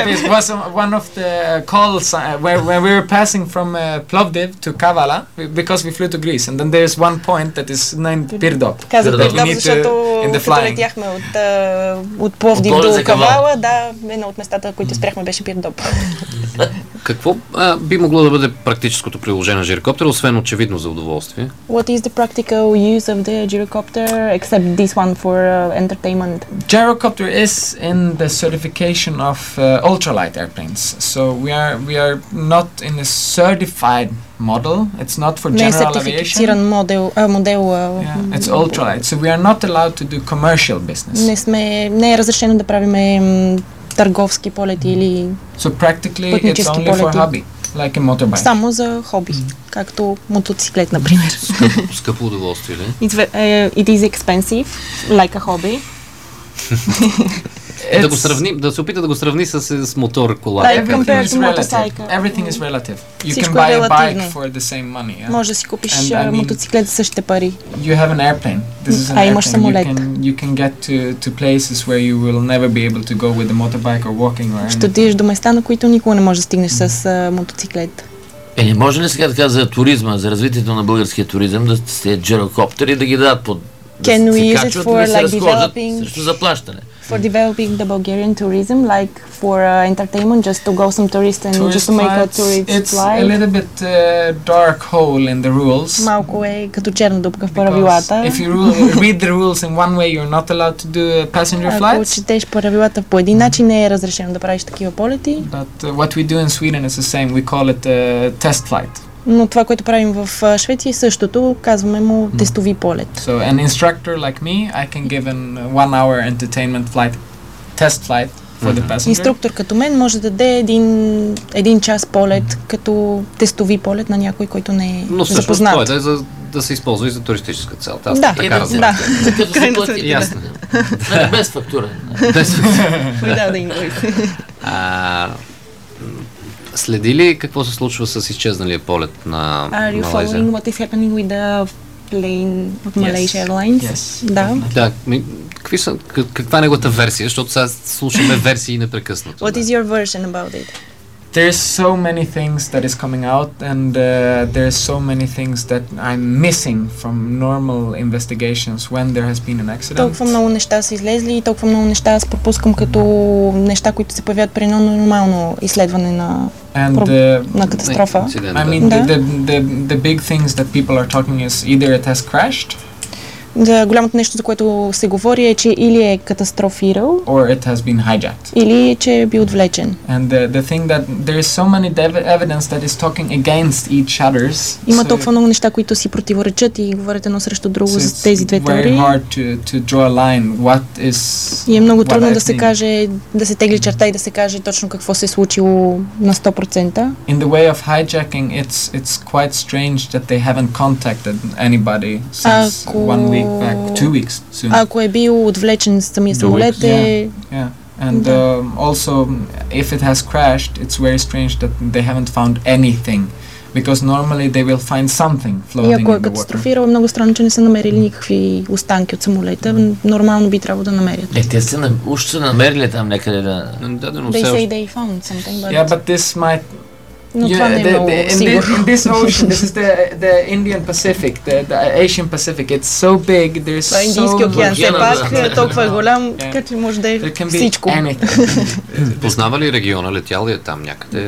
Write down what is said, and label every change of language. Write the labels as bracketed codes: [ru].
[en] It was one of the calls when we were passing from Plovdiv to Kavala, because we flew to Greece, and then there is one point that is named Пирдоп. [bg] Като летяхме от Пловдив до Кавала, да, едно от местата, които спряхме, беше Пирдоп. Какво би могло да бъде практическото приложение на жирокоптера, освен очевидно за удоволствие? [en] What is the practical use of the gyrocopter, except this one for entertainment? Gyrocopter is in the certification of ultralight airplanes, so we are not in a certified model. It's not for general aviation. It's ultralight. So we are not allowed to do commercial business. [bg] Не е разрешено да правим търговски полети или [en] So practically it's only [bg] полети. [en] For hobby, like a motorbike. [bg] Само за хобби, както мотоциклет, например. Скъпо удоволствие, [en] ли? It is expensive, like a hobby. [bg] да го сравни, да се опита да го сравни с, с мотор кола. [en] Да, compared to motorcycle. Everything is relative. You can buy a bike for the same money. Yeah? [bg] Може да си купиш мотоциклет за същите пари. [en] You have an airplane. This is an [bg] airplane. Имаш самолет. [en] You can get to places where you will never be able to go with a motorbike or walking or anything. [bg] Ще отидеш до места, на които никога не можеш да стигнеш с мотоциклет. Е, не може ли сега така за туризма, за развитието на българския туризъм да сте джерокоптери и да ги дадат под... [en] Can we use it for like developing for developing the Bulgarian tourism, like for entertainment, just to go some tourists and tourist just to make flights, a tourist flight? It's a little bit dark hole in the rules. [bg] Малко е като черна дупка в правилата. [en] If you read the rules in one way, you're not allowed to do passenger flights. [bg] Ако четеш правилата по един начин, не е разрешено да правиш такива полети. [en] But what we do in Sweden is the same. We call it a test flight. [bg] Но това, което правим в Швеция, същото, казваме му тестови полет. [en] So an instructor like me, I can give an one hour entertainment flight, test flight for the passenger. [bg] Инструктор като мен може да даде един час полет като тестови полет на някой, който не е запознат. Но също това е да се използва и за туристическа цел. Да, да, да. Като се плати, ясно. Без фактура. Без фактура. Следи ли какво се случва с изчезналия полет на Малайзия? [en] Are you following what is happening with the plane of Malaysia Airlines? Yes. [bg] Да. Да. Каква е неговата версия, защото сега слушаме версии непрекъснато. [en] What is your version about it? There's so many things that is coming out and there's so many things that I'm missing from normal investigations when there has been an accident. [bg] Толкова много неща са излезли и толкова много неща аз пропускам като неща, които се появят при едно нормално изследване на на катастрофа. [en] I mean the big things that people are talking is either it has crashed. [bg] Да, голямото нещо, за което се говори е, че или е катастрофирал, [en] or it has been hijacked. [bg] Или е, че е бил отвлечен. [en] And the thing that there is so many evidence that is talking against each other. [bg] Има толкова много неща, които си противоречат и говорят едно срещу друго за тези две теории. [en] Very hard to draw a line what is. [bg] И е много трудно да се каже, да се тегли черта и да се каже точно какво се е случило на 100%. [en] In the way of hijacking, it's quite strange that they haven't contacted anybody since one week. [bg] Ако е бил отвлечен самия самолет, [en] And also if it has crashed, it's very strange that they haven't found anything because normally they will find something floating in the water. [bg] Ако е катастрофирал, много странно, че не са намерили никакви останки от самолета, нормално би трябвало да намерят. Е, те са още намерили там някъде да. [en] They say they found something, but yeah, but this might. [bg] Но това не е много сигурно. [en] In this ocean, this is the Indian Pacific, the Asian Pacific. It's so big, there's so... [bg] Индийски океан, все пак е толкова голям, така че може да е всичко. Познава ли региона, летял ли е там някъде?